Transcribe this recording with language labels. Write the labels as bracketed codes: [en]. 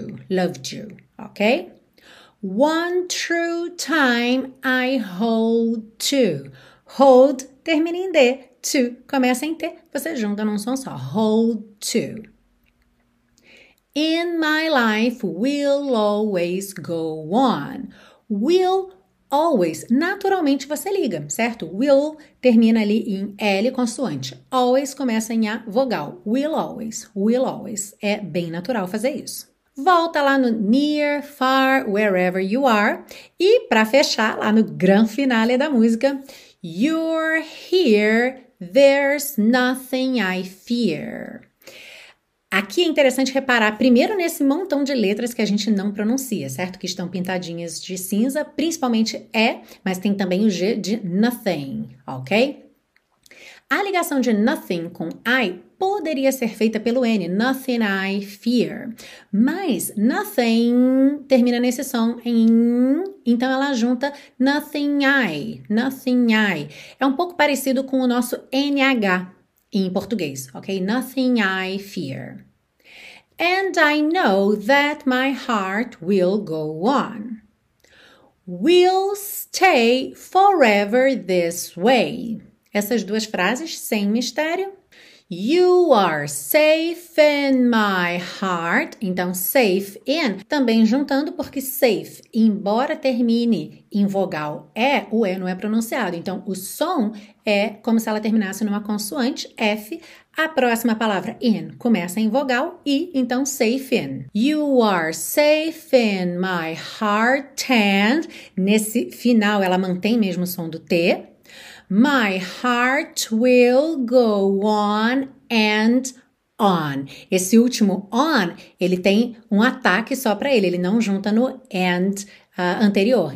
[en] Loved you, ok? One true time I hold to. [pt] Hold termina em D, to começa em T, você junta num som só. [en] Hold to. In my life, we'll always go on. We'll always. [pt] Naturalmente, você liga, certo? Will termina ali em L consoante. Always começa em A vogal. [en] Will always. Will always. [pt] É bem natural fazer isso. Volta lá no [en] near, far, wherever you are. [pt] E para fechar, lá no gran finale da música. [en] You're here, there's nothing I fear. [pt] Aqui é interessante reparar primeiro nesse montão de letras que a gente não pronuncia, certo? Que estão pintadinhas de cinza, principalmente E, mas tem também o G de nothing, ok? A ligação de nothing com I poderia ser feita pelo N, [en] nothing I fear. [pt] Mas nothing termina nesse som em, então ela junta [en] nothing I, nothing I. [pt] É um pouco parecido com o nosso NH. Em português, [en] ok? Nothing I fear. And I know that my heart will go on. We'll stay forever this way. [pt] Essas duas frases sem mistério. [en] You are safe in my heart. [pt] Então, [en] safe in. [pt] Também juntando porque safe, embora termine em vogal E, o E não é pronunciado. Então, o som é como se ela terminasse numa consoante, F. A próxima palavra, in, começa em vogal I. Então, [en] safe in. You are safe in my heart. [pt] And, nesse final, ela mantém mesmo o som do T. [en] My heart will go on and on. [pt] Esse último on, ele tem um ataque só para ele. Ele não junta no and anterior.